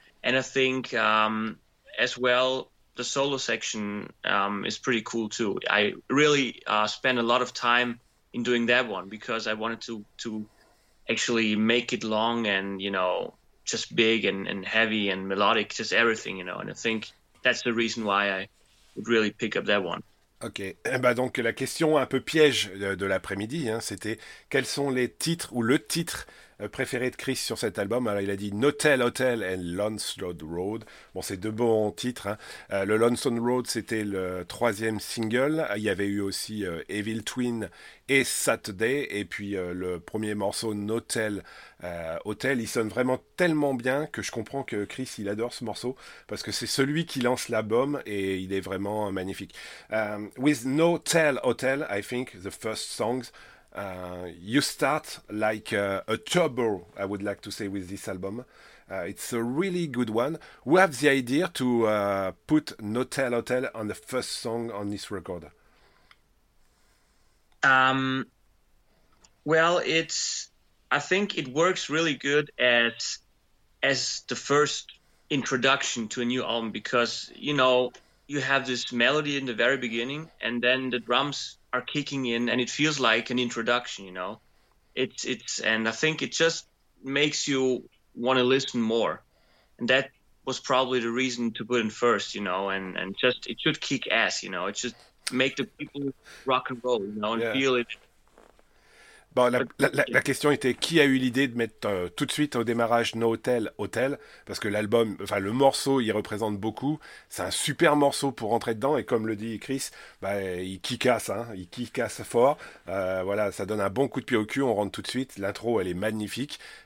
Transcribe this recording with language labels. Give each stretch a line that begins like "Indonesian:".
English: And I think as well, the solo section is pretty cool too. I really spent a lot of time in doing that one because I wanted to actually make it long and, you know, just big and heavy and melodic, just everything, you know. And I think that's the reason why I would really pick up that one.
French: Ok, bah donc la question un peu piège de l'après-midi, hein, c'était quels sont les titres ou le titre préféré de Chris sur cet album. Alors il a dit Notel Hotel et Lonesome Road. Bon, c'est deux bons titres. Hein. Le Lonesome Road, c'était le troisième single. Il y avait eu aussi Evil Twin et Saturday. Et puis le premier morceau, Notel Hotel, il sonne vraiment tellement bien que je comprends que Chris, il adore ce morceau parce que c'est celui qui lance l'album et il est vraiment magnifique.
English: With Notel Hotel, I think the first songs. You start like a turbo, I would like to say, with this album. It's a really good one. Who have the idea to put Notel Hotel on the first song on this record? Well, it's, I think it works really good as the first introduction to a new album because, you know, you have this melody in the very beginning and then the drums are kicking in and it feels like an introduction, you know. It's and I think it just makes you want to listen more. And that was probably the reason to put in first, you know, and just it should kick ass, you know. It should make the people rock and roll, you know, and feel it.
French: Bon, la question était qui a eu l'idée de mettre tout de suite au démarrage Notel Hotel, parce que l'album, enfin le morceau, il représente beaucoup. C'est un super morceau pour rentrer dedans et comme le dit Chris, bah il kickasse, hein, il kickasse fort. Voilà, ça donne un bon coup de pied au cul, on rentre tout de suite. L'intro, elle est magnifique.